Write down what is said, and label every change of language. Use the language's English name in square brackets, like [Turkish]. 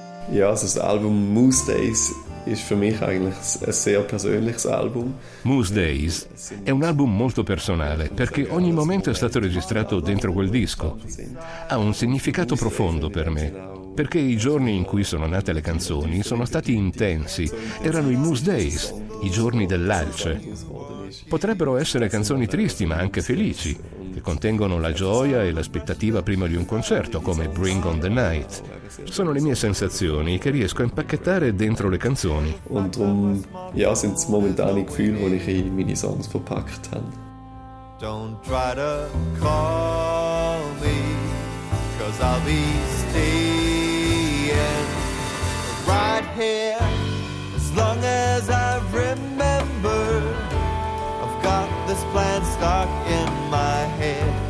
[German] Ja, also das Album Moose Days ist für mich eigentlich ein sehr persönliches Album. [Italian] Moose Days è un album molto personale perché ogni momento è stato registrato dentro quel disco. Ha un significato profondo per me, perché i giorni in cui sono nate le canzoni sono stati intensi. Erano i Moose Days, i giorni dell'alce. Potrebbero essere canzoni tristi, ma anche felici, che contengono la gioia e l'aspettativa prima di un concerto, come Bring on the Night. Sono le mie sensazioni che riesco a impacchettare dentro le canzoni. [German] Und ja, sind momentane Gefühle, die ich in meine Songs verpackt habe. [English] Don't try to call me, 'cause I'll be staying right here as long as I remember. I've got this plan stuck in my head.